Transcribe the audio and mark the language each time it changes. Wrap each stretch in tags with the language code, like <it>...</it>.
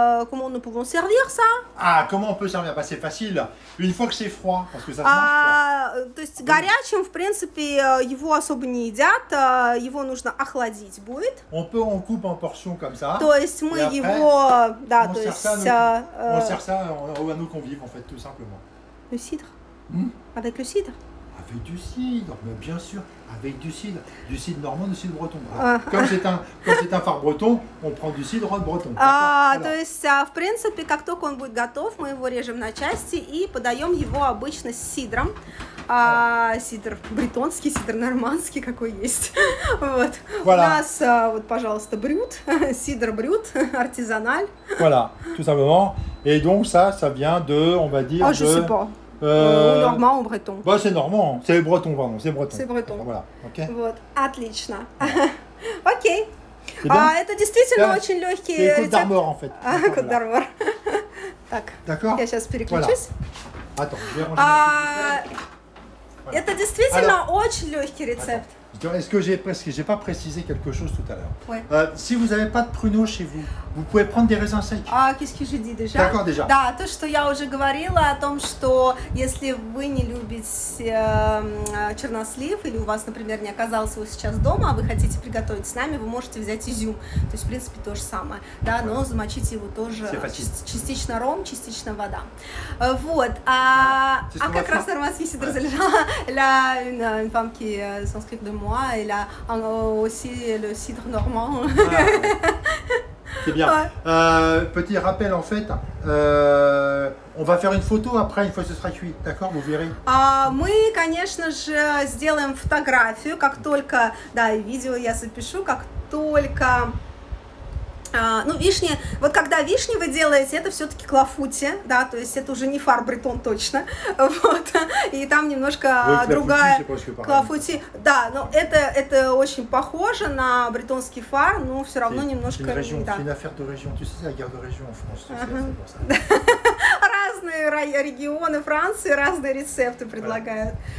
<fr>Comment nous pouvons servir ça? Ah, comment on peut servir? Bah, c'est facile. Une fois que c'est froid, parce que ça se mange.</fr> <ru>То есть горячим, в принципе, его особо не едят. Его нужно охладить будет.</ru> <fr>On peut en couper en portions comme ça.</fr> <ru>То есть мы</ru> <fr>après,</fr> <ru>его, да, то есть.</ru> <fr>On sert ça à nos convives, en fait, tout simplement. Le cidre. Avec le cidre. Avec du cidre, mais bien sûr, avec du cidre normand, du cidre breton. Voilà. Comme c'est un phare breton, on prend du cidre breton.</fr> <ru>То есть, в принципе, как только он будет готов, мы его режем на части и подаем его обычно с сидром. Сидр бретонский, сидр нормандский, какой есть. Вот.</ru> <fr>Voilà.</fr> <ru>У нас, вот, пожалуйста, брют, сидр брют, артизаналь.</ru> <fr>Voilà, tout simplement. Et donc ça vient de, on va dire... Ah, je sais pas. Normand ou breton? Bah, c'est normand, c'est breton, pardon, c'est breton. C'est breton. Voilà, ok.</fr> <ru>Вот, отлично. Ok. Это действительно очень легкий рецепт.</ru> <fr>Côte d'Armor, en fait. Côte d'Armor. Так. D'accord.</fr> <ru>Я сейчас переключусь.</ru> <fr>Voilà. Attends, je vais ranger.</fr> <ru>Это действительно очень легкий рецепт.</ru> <fr>Est-ce que j'ai pas précisé quelque chose tout à l'heure? Ouais. Si vous n'avez pas de pruneaux chez vous, vous pouvez prendre des raisins secs. Ah, qu'est-ce que j'ai dit déjà? D'accord, déjà.</fr> <ru>Да, то, что я уже говорила о том, что если вы не любите чернослив или у вас, например, не оказалось его сейчас дома, а вы хотите приготовить с нами, вы можете взять изюм. То есть, в принципе, то же самое. Да, но замочите его тоже. Частично ром, частично вода. Вот. А как раз нормандский сидр залежал для инфамки санскрит дома.</ru> <fr>Moi, et là aussi le cidre normand. C'est bien. Petit rappel en fait, on va faire une photo après une fois que ce sera cuit, d'accord? Vous verrez.</fr> <ru>Мы, конечно же, сделаем фотографию, как только, да, и видео я запишу, как только. Ну, вишни, вот когда вишни вы делаете, это все-таки клафути, да, то есть это уже не фар бретон точно, вот, и там немножко ой, другая клафути, да, но это очень похоже на бретонский фар, но все равно</ru> <fr>c'est,</fr> <ru>немножко...</ru> <fr>C'est une région, да. C'est une affaire de région, tu sais, la guerre de région en France, tu sais, c'est pour ça.</fr> <ru>Разные регионы Франции разные рецепты предлагают.</ru>